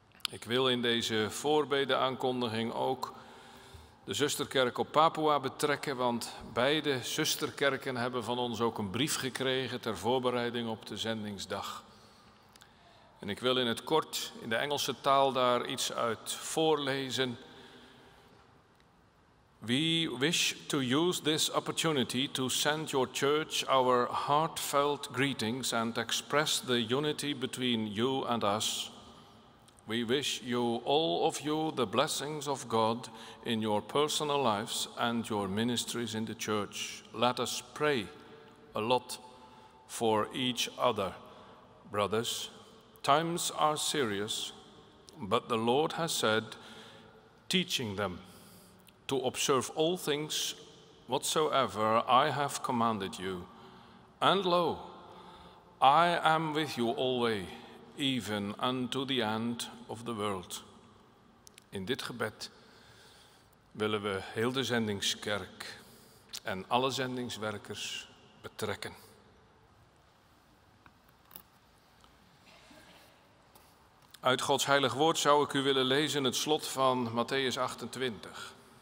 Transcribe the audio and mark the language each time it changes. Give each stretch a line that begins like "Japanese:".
Dutch: Ik wil in deze voorbeden aankondiging ook de zusterkerk op Papua betrekken, want beide zusterkerken hebben van ons ook een brief gekregen ter voorbereiding op de zendingsdag. En ik wil in het kort in de Engelse taal daar iets uit voorlezen.
English: We wish to use this opportunity to send your church our heartfelt greetings and express the unity between you and us. We wish you, all of you, the blessings of God in your personal lives and your ministries in the church. Let us pray a lot for each other, brothers. Times are serious, but the Lord has said, teaching them to observe all things whatsoever I have commanded you. And lo, I am with you always, even unto the end of the world.
Dutch: In dit gebed willen we heel de zendingskerk en alle zendingswerkers betrekken. Uit Gods heilig woord zou ik u willen lezen het slot van Matteüs 28.